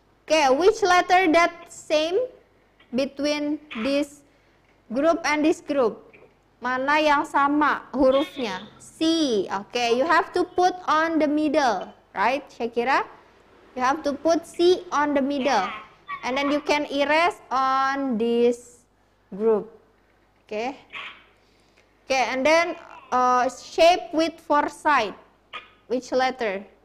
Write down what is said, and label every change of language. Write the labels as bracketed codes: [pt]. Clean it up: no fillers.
[en] Okay, which letter that same between this group and this group? [id] Mana yang sama hurufnya? [en] C. Okay, you have to put on the middle, right, Shakira? You have to put C on the middle, and then you can erase on this group. Okay. Okay, and then shape with four side. Which letter?